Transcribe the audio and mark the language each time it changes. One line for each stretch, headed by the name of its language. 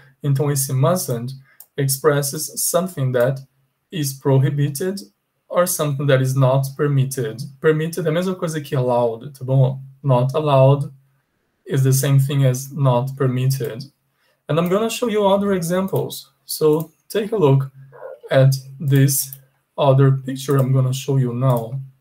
Portuguese: Então, esse
English: mustn't expresses something that is prohibited or something that is not permitted.
Portuguese: Permitted é a mesma coisa que allowed, tá bom?
English: Not allowed is the same thing as not permitted. And I'm gonna show you other examples. So take a look at this other picture I'm gonna show you now.